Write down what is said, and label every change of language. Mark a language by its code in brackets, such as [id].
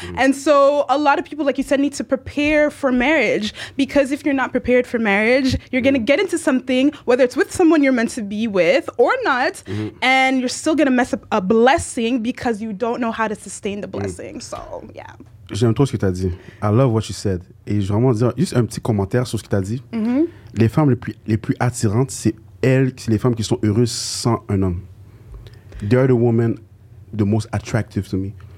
[en] And so a lot of people, like you said, need to prepare for marriage, because if you're not prepared for marriage, you're going to get into something, whether it's with someone you're meant to be with or not, and you're still going to mess up a blessing because you don't know how to sustain the blessing. So, yeah. [fr] J'aime trop ce que tu as dit. [en] I love what you said. [fr] Et je veux vraiment dire juste un petit commentaire sur ce que tu as dit. Mm-hmm. Les femmes les plus attirantes, c'est les femmes qui sont heureuses sans un homme. [en] They are the women the most attractive to me.